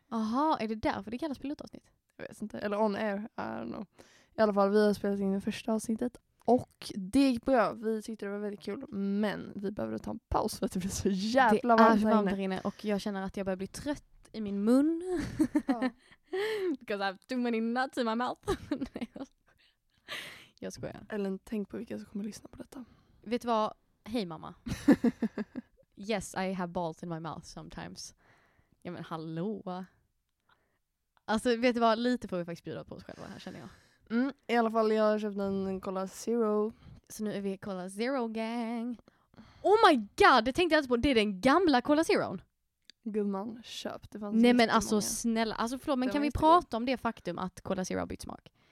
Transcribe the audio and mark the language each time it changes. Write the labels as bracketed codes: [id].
[sv] Aha, är det därför det kallas pilotavsnitt? Jag vet inte. Eller [en] on air, I don't know. [sv] I alla fall, vi har spelat in det första avsnittet. Och det gick bra. Vi tyckte det var väldigt kul. Men vi behöver ta en paus för att det blir så jävla varmt här inne. Och jag känner att jag börjar bli trött i min mun. Ja. [en] Because I have too many nuts in my mouth. [sv] Jag skojar. Ellen, tänk på vilka som kommer lyssna på detta. Vet du vad? Hej mamma. [en] Yes, I have balls in my mouth sometimes. [sv] Ja, men hallå. Alltså vet du vad, lite får vi faktiskt bjuda på oss själva här känner jag. Mm, i alla fall jag har köpt en Cola Zero. Så nu är vi Cola Zero gang. [en] Oh my god, [sv] det tänkte jag alltså på. Det är den gamla Cola Zero. Gumman, köp. Det fanns. Nej men alltså snälla, alltså förlåt, men kan vi prata om det faktum att Cola Zero har bytt smak?